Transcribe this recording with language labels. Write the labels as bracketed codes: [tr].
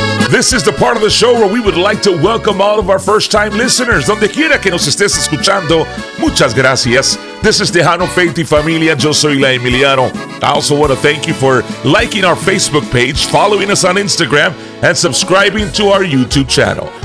[en] This is the part of the show where we would like to welcome all of our first-time listeners. [es] Donde quiera que nos estés escuchando, muchas gracias. [en] This is Tejano, Faith y Familia. [es] Yo soy [en] La Emiliano. I also want to thank you for liking our Facebook page, following us on Instagram, and subscribing to our YouTube channel.